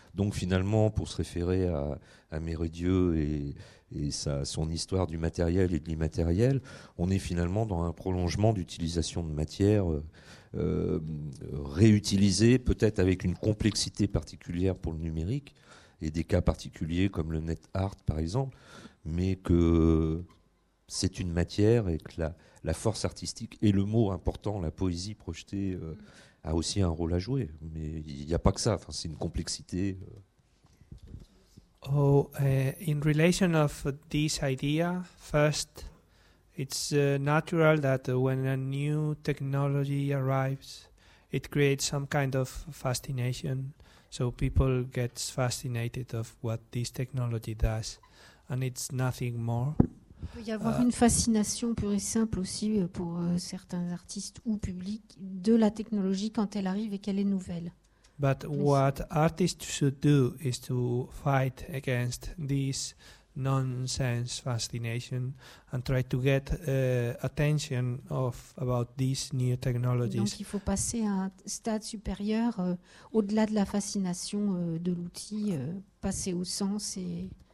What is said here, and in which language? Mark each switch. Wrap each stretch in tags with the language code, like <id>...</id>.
<fr>Donc finalement, pour se référer à Méridieux son histoire du matériel et de l'immatériel, on est finalement dans un prolongement d'utilisation de matière réutilisée, peut-être avec une complexité particulière pour le numérique, et des cas particuliers comme le net art par exemple, mais que c'est une matière et que la force artistique et le mot important, la poésie projetée, a aussi un rôle à jouer. Mais il n'y a pas que ça, enfin, c'est une complexité.</fr> <en>In relation of this idea, first, it's natural that when a new technology arrives, it creates some kind of fascination. So people get fascinated of what this technology does, and it's nothing more.</en> <fr>Il peut y avoir une fascination pure et simple aussi pour certains artistes ou publics de la technologie quand elle arrive et qu'elle est nouvelle.</fr> <en>But what artists should do is to fight against this nonsense fascination and try to get attention of about these new technologies.</en> <fr>Donc il faut passer à un stade supérieur, au-delà de la fascination de l'outil, passer au sens et...</fr>